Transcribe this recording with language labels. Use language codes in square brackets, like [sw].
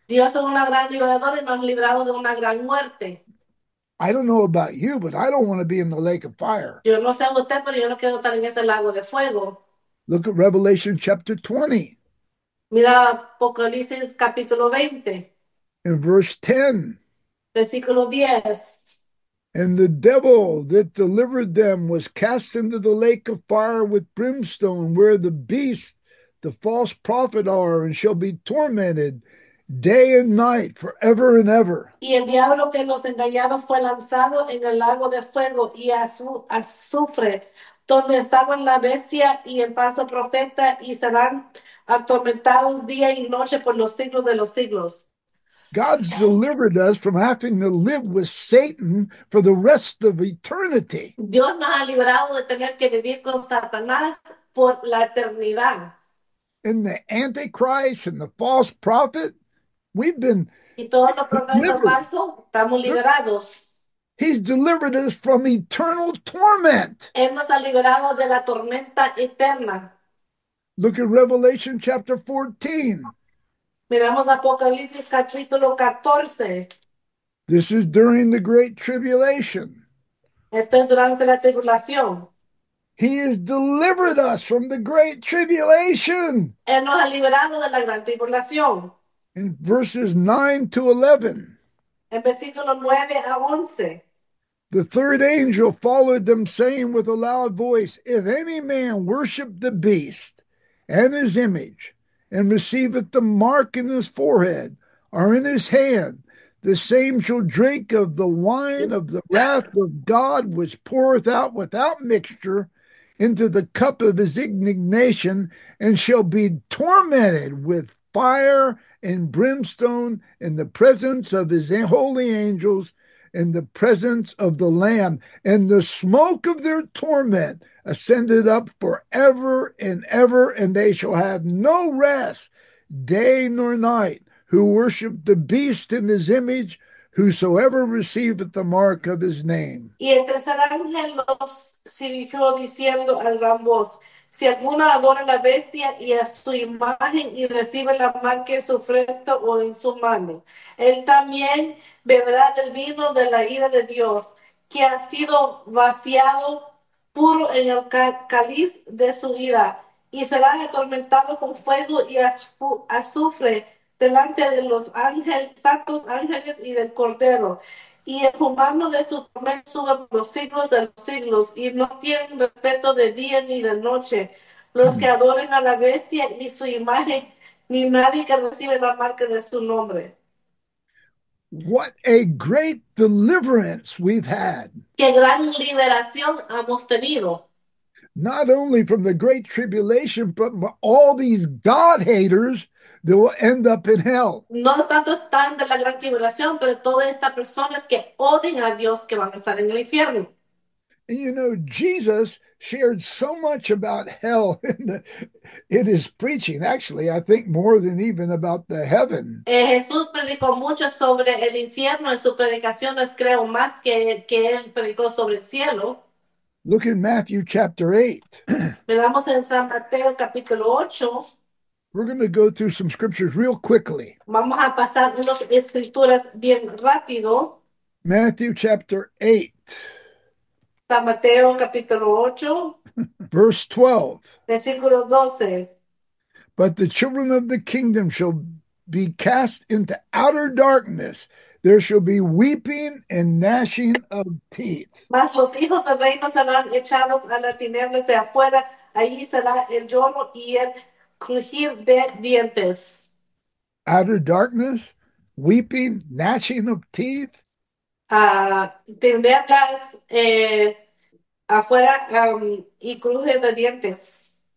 [es] Dios es un gran liberador y nos ha librado de una gran muerte. [en] I don't know about you, but I don't want to be in the lake of fire. [es] Yo no sé usted, pero yo no quiero estar en ese lago de fuego. [en] Look at Revelation chapter 20. [es] Mira Apocalipsis capítulo 20, [en] In verse 10. [es] versículo 10. [en] And the devil that delivered them was cast into the lake of fire with brimstone, where the beast, the false prophet are, and shall be tormented day and night forever and ever. [es] Y el diablo que los engañaba fue lanzado en el lago de fuego y azufre, donde estaban la bestia y el falso profeta, y serán atormentados día y noche por los siglos de los siglos. [en] God's delivered us from having to live with Satan for the rest of eternity. [es] Dios nos ha liberado de tener que vivir con Satanás por la eternidad. [en] And the Antichrist and the false prophet, we've been [es] Y todos los profetas [en] delivered. [es] falsos, estamos liberados. [en] He's delivered us from eternal torment. [es] Él nos ha liberado de la tormenta eterna. [en] Look at Revelation chapter 14. [es] Miramos Apocalipsis capítulo 14. [en] This is during the Great Tribulation. [es] Esto es durante la tribulación. [en] He has delivered us from the Great Tribulation. [es] Él nos ha liberado de la gran tribulación. [en] In verses 9 to 11, [es] En versículo 9 a 11. [en] the third angel followed them, saying with a loud voice, if any man worship the beast and his image, and receiveth the mark in his forehead or in his hand, the same shall drink of the wine of the wrath of God, which poureth out without mixture into the cup of his indignation, and shall be tormented with fire and brimstone in the presence of his holy angels, in the presence of the Lamb. And the smoke of their torment ascended up forever and ever, and they shall have no rest day nor night, who worship the beast in his image, whosoever receiveth the mark of his name. [es] Y el tercer ángel los dirigió diciendo a gran voz: si alguno adora a la bestia y a su imagen y recibe la marca en su frente o en su mano, él también beberá del vino de la ira de Dios, que ha sido vaciado puro en el cáliz de su ira, y será atormentado con fuego y azufre delante de los ángeles, santos ángeles y del Cordero. Y el humano de su tormento sube por los siglos de los siglos, y no tienen respeto de día ni de noche los que adoren a la bestia y su imagen, ni nadie que recibe la marca de su nombre. [en] What a great deliverance we've had. [es] ¡Qué gran liberación hemos tenido! [en] not only from the great tribulation, but all these God haters that will end up in hell. [es] No tanto están de la gran tribulación, pero todas estas personas que odian a Dios que van a estar en el infierno. [en] And you know, Jesus shared so much about hell in his preaching. Actually, I think more than even about the heaven. [es] Jesús predicó mucho sobre el infierno en sus predicaciones, creo, más que él predicó sobre el cielo. [en] Look in Matthew chapter 8. [es] Veamos en San Mateo capítulo 8. [en] We're going to go through some scriptures real quickly. [es] Vamos a pasar unas escrituras bien rápido. [en] Matthew chapter 8. [es] San Mateo capítulo 8, [en] Verse 12. [es] versículo 12. [en] But the children of the kingdom shall be cast into outer darkness. There shall be weeping and gnashing of teeth. [es] Mas los hijos del reino serán echados a las tinieblas de afuera, allí será el lloro y el crujir de dientes. [en] Outer darkness, weeping, gnashing of teeth. [es] Tinieblas afuera y cruje de dientes.